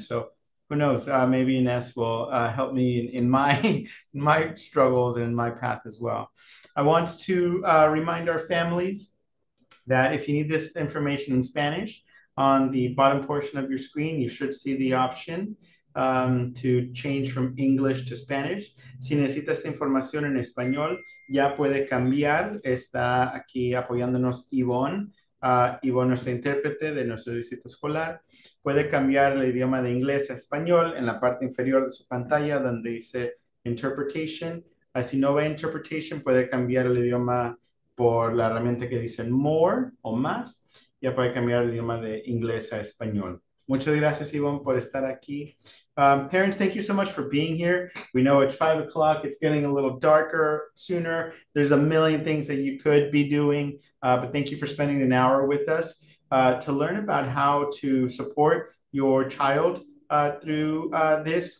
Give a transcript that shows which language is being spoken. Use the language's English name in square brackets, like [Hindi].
[English] So who knows? Maybe Ines will help me in my struggles and my path as well. I want to remind our families that if you need this information in Spanish, on the bottom portion of your screen, you should see the option to change from English to Spanish. [Spanish] Si necesitas esta información en español, ya puede cambiar. Está aquí apoyándonos Yvonne. Yvonne, nuestra intérprete de nuestro distrito escolar, puede cambiar el idioma de inglés a español en la parte inferior de su pantalla donde dice Interpretation. Si no ve Interpretation, puede cambiar el idioma por la herramienta que dice More o Más. Ya puede cambiar el idioma de inglés a español. Muchas gracias, Yvonne, por estar aquí. [English] Parents, thank you so much for being here. We know it's 5 o'clock. It's getting a little darker sooner. There's a million things that you could be doing, but thank you for spending an hour with us to learn about how to support your child through this.